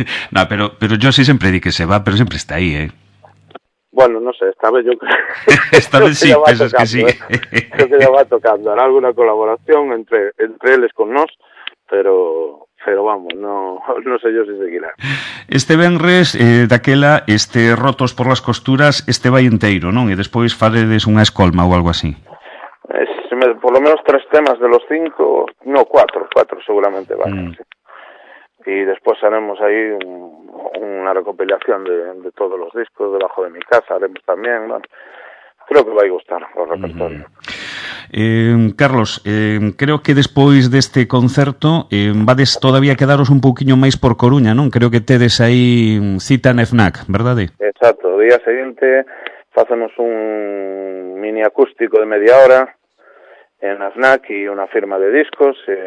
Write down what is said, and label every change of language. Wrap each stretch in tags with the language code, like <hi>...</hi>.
<gl>Non, pero Josi sempre di que se va, pero sempre está aí, eh? Bueno, non sei, esta vez yo... esta vez sí, pensas que sí.</gl> <es>Creo que ya va tocando, hará alguna colaboración</es> <gl>entre eles con nós,</gl> <es>pero vamos, no sé yo si seguirá.</es> <gl>Este venres, daquela, este Rotos por las Costuras, este vai inteiro, non? E despois faredes unha escolma ou algo así.</gl> <es>Por lo menos tres temas de los cinco, no, cuatro seguramente van. Mm. Sí. Y después haremos ahí una recopilación de todos los discos debajo de mi casa, haremos también, bueno, creo que va a gustar el repertorio. Mm.</es> <gl>Carlos, creo que despois deste concerto vades todavía quedaros un pouquiño máis por Coruña, non? Creo que tedes aí cita en FNAC, verdade? Exacto, o día seguinte facemos un mini acústico de media hora en FNAC e unha firma de discos.</gl>